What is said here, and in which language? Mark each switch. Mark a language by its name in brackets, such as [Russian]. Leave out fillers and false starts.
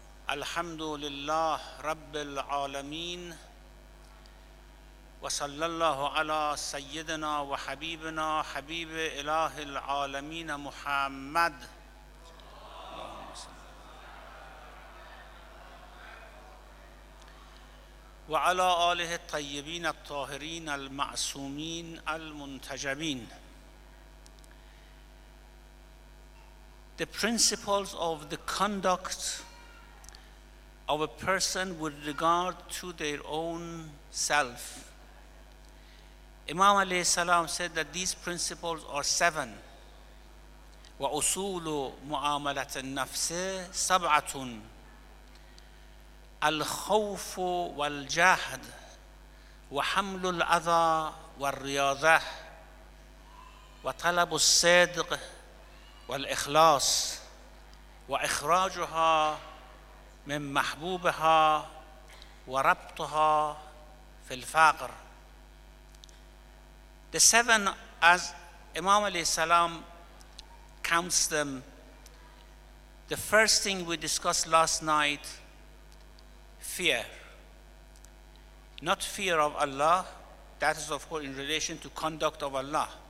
[Arabic] الحمد لله رب العالمين، وصلى الله على سيدنا وحبيبنا حبيب إله العالمين محمد. وعلى آله الطيبين الطاهرين المعصومين المنتجبين. [English] The principles of the conduct of a person with regard to their own self. Imam Ali Salam said that these principles are seven. [Arabic] وأصول معاملة النفس سبعة: الخوف والجهد وحمل الأذى والرياضة وطلب الصدق والإخلاص وإخراجها من محبوبها وربطها في الفقر. [English] The seven, as Imam Ali Salam counts them, the first thing we discussed last night: fear. Not fear of Allah, that is of course in relation to conduct of Allah.